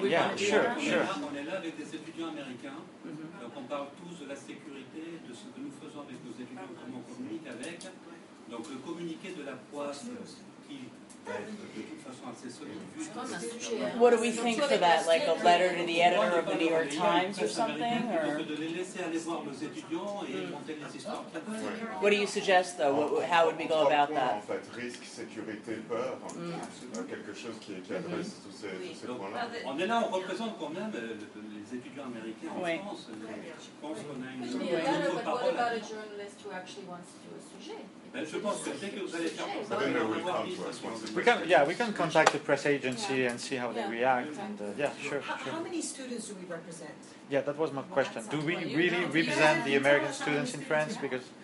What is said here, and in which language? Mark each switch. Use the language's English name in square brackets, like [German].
[French] On est là avec des étudiants américains, donc on parle tous de la sécurité, de ce que nous faisons avec nos étudiants, comment on communique avec. Donc le communiqué de la POAS qui va être de toute façon assez solide. [English] What do we think for that? Like a letter to the editor of the New York Times or something? [French] Donc de les laisser aller voir nos étudiants et monter les histoires. [English] What do you suggest though? How would we go about that? [French] En fait, risque, sécurité, peur, quelque chose qui adresse tous ces points-là. On est là, on représente quand même les étudiants américains en France. Je pense qu'on a une autre parole. [English] But what about a journalist who actually wants to do a sujet? We can contact the press agency and see how they react. Sure. How many students do we represent? Yeah, that was my question. Do we really represent the American students in France? Because